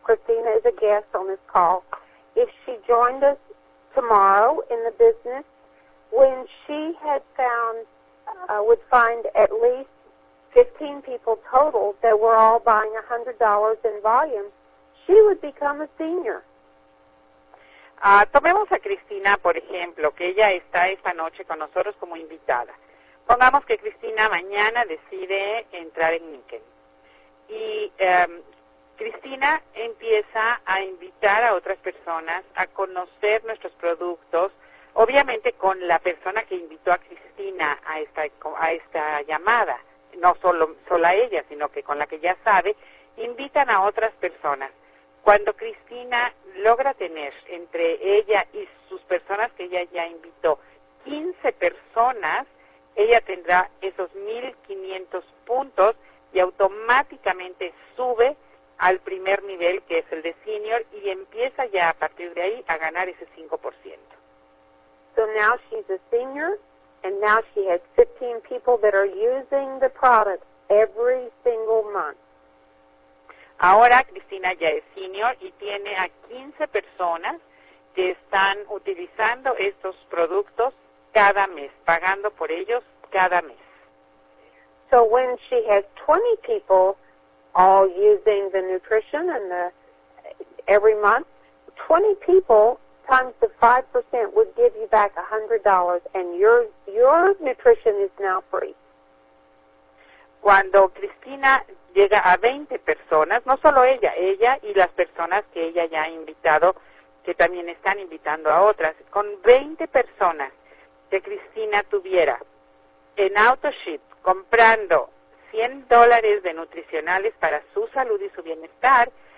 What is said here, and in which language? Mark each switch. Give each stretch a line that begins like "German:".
English: Christina is a guest on this call. If she joined us tomorrow in the business, when she had found, would find at least 15 people total that were all buying $100 in volume, she would become a senior.
Spanish: Tomemos a Cristina, por ejemplo, que ella está esta noche con nosotros como invitada. Pongamos que Cristina mañana decide entrar en Nickel. Y Cristina empieza a invitar a otras personas a conocer nuestros productos. Obviamente con la persona que invitó a Cristina a esta llamada, no sola ella, sino que con la que ya sabe, invitan a otras personas. Cuando Cristina logra tener entre ella y sus personas que ella ya invitó 15 personas, ella tendrá esos 1,500 puntos y automáticamente sube al primer nivel, que es el de senior, y empieza ya a partir de ahí a ganar ese 5%.
English: So now she's a senior, and now she has 15 people that are using the product every single month.
Spanish: Ahora Cristina ya es senior y tiene a 15 personas que están utilizando estos productos cada mes, pagando por ellos cada mes.
English: So when she has 20 people all using the nutrition and the every month, 20 people times the 5% would give you back $100, and your nutrition is now free.
Spanish: Cuando Cristina llega a 20 personas, no solo ella y las personas que ella ya ha invitado, que también están invitando a otras, con 20 personas que Cristina tuviera en AutoShip comprando $100 de nutricionales para su salud y su bienestar,